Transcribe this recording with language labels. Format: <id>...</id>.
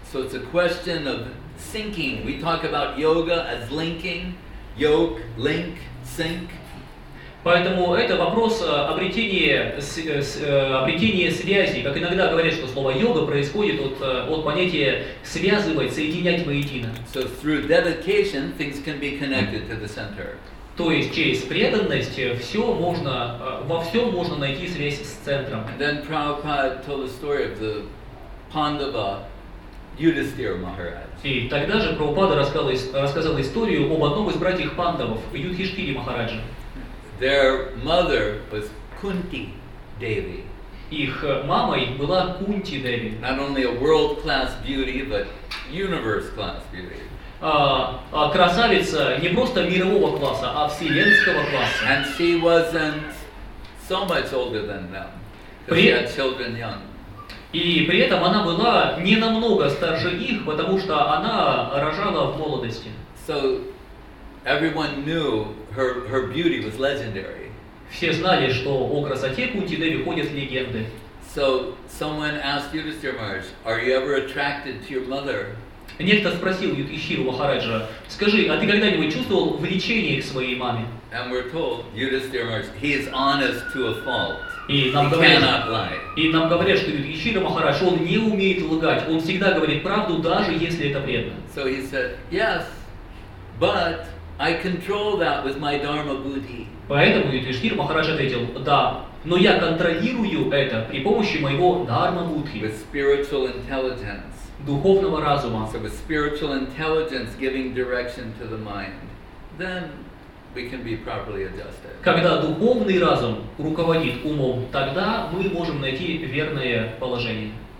<en>So it's a question of syncing. We talk about yoga as linking. Yoke, link, sync.</en> <ru>Поэтому это вопрос обретения связи. Как иногда говорят, что слово йога происходит от понятия связывать, соединять воедино.</ru> <en>So through dedication, things can be connected to the center.</en> <ru>То есть через преданность во всем можно найти связь с центром.</ru> <en>And then Prabhupada told the story of the Pandava</en> <ru>Юдистхира Махарадж. И тогда же Прабхупада рассказал историю об одном из братьев Пандавов, Юдхиштхире Махарадже.</ru> <en>Their mother was Kunti Devi.</en> <ru>Их мамой была Кунти Деви.</ru> <en>Not only a world-class beauty, but universe-class beauty.</en> <ru>Красавица не просто мирового класса, а вселенского класса.</ru> <en>And she wasn't so much older than them. She had children young.</en> <ru>И при этом она была не намного старше их, потому что она рожала в молодости.</ru> <en>So everyone knew her beauty was legendary.</en> <ru>Все знали, что о красоте Кунти Деви ходят легенды.</ru> <en>So someone asked Yudhishthira Maharaj, "Are you ever attracted to your mother?"</en> <ru>Некто спросил Юдхиштхиру Махараджа, скажи, а ты когда-нибудь чувствовал влечение к своей маме?</ru> <en>And we're told, Yudhishthira Maharaj, he is honest to a fault.</en> <ru>И нам говорят, что Юдхиштхира Махарадж, он не умеет лгать, он всегда говорит правду, даже если это вредно.</ru> <en>So he said, yes, but I control that with my dharma buddhi.</en> <ru>Поэтому Юдхиштхира Махарадж ответил, да, но я контролирую это при помощи моего дхарма будхи.</ru> <en>With spiritual intelligence.</en> <ru>Духовного разума.</ru> <en>So with spiritual intelligence giving direction to the mind, then we can be properly adjusted.</en> <ru>Когда духовный разум руководит умом, тогда мы можем найти верное положение.</ru>